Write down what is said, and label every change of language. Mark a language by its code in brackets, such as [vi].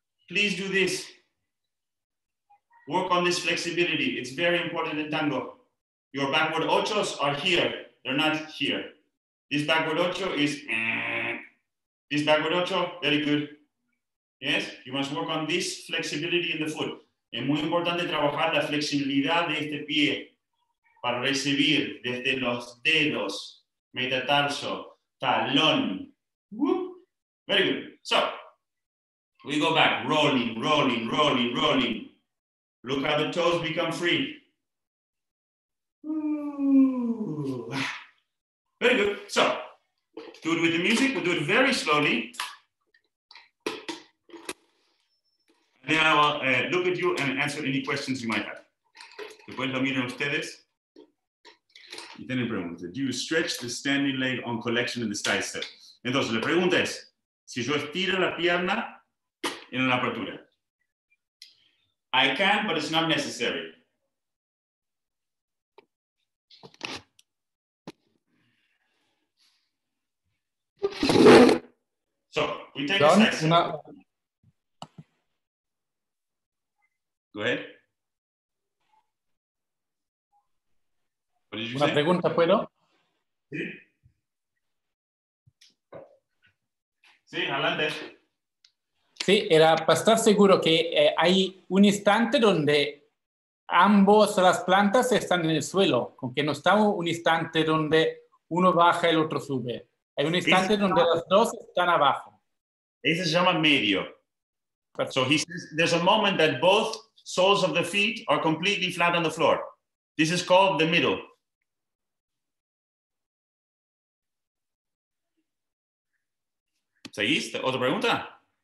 [en] Please do this. Work on this flexibility. It's very important in tango. Your backward ochos are here. They're not here. This backward ocho is... This backward ocho, very good. Yes, you must work on this flexibility in the foot. [es] Es muy importante trabajar la flexibilidad de este pie para recibir desde los dedos, metatarso, talón. [en] Whoop. Very good. So, we go back, rolling, rolling, rolling, rolling. Look how the toes become free. Ooh. Very good. So, do it with the music. We'll do it very slowly. Then I will look at you and answer any questions you might have. [es] Después lo miran ustedes. Y tienen preguntas. [en] Do you stretch the standing leg on collection in the side step? [es] Entonces, la pregunta es, si yo estiro la pierna en la apertura. [en] I can, but it's not necessary. So, we take John, the side step. Go ahead. What did you Una say? [es] Pregunta, ¿puedo? Sí. Sí, adelante. Sí, era para estar seguro que hay un instante donde ambos las plantas están en el suelo, con que no está un instante donde uno baja y el otro sube. Hay un instante ese donde las dos están abajo. Ese se llama medio. Perfect. [en] So he says, there's a moment that both soles of the feet are completely flat on the floor. This is called the middle. [es] ¿Seguiste? ¿Otra pregunta?